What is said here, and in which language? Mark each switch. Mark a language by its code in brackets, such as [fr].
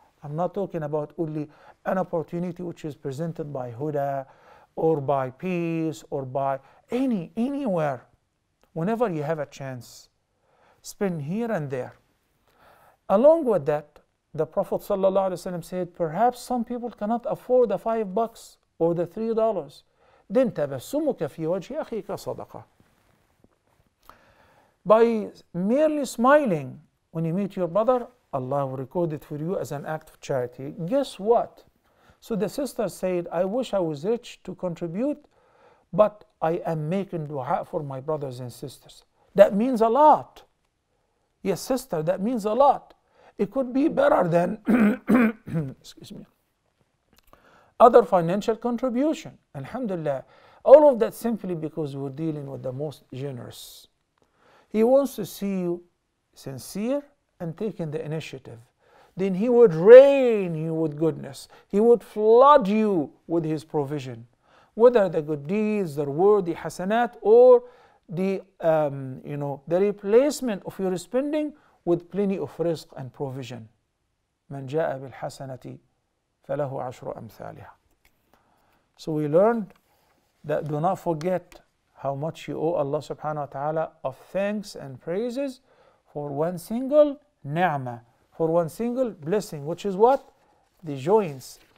[en] I'm not talking about only an opportunity which is presented by Huda or by Peace or by anywhere. Whenever you have a chance, spend here and there. Along with that, the Prophet ﷺ said, perhaps some people cannot afford the $5 or the $3. Then [ar] تَبَسُّمُكَ فِي وَجْهِ أَخِيكَ صَدَقَةً. [en] By merely smiling when you meet your brother, Allah will record it for you as an act of charity. Guess what? So the sister said, I wish I was rich to contribute, but I am making dua for my brothers and sisters. That means a lot. Yes, sister, that means a lot. It could be better than excuse me, other financial contribution. Alhamdulillah. All of that simply because we're dealing with the most generous. He wants to see you sincere and taking the initiative. Then he would rain you with goodness. He would flood you with his provision, whether the good deeds, the reward, the hasanat, or the replacement of your spending with plenty of rizq and provision. [ar] من جاء بالحسنة فله عشر أمثالها. [en] So we learned that do not forget how much you owe Allah subhanahu wa ta'ala of thanks and praises for one single ni'mah, for one single blessing, which is what? The joints.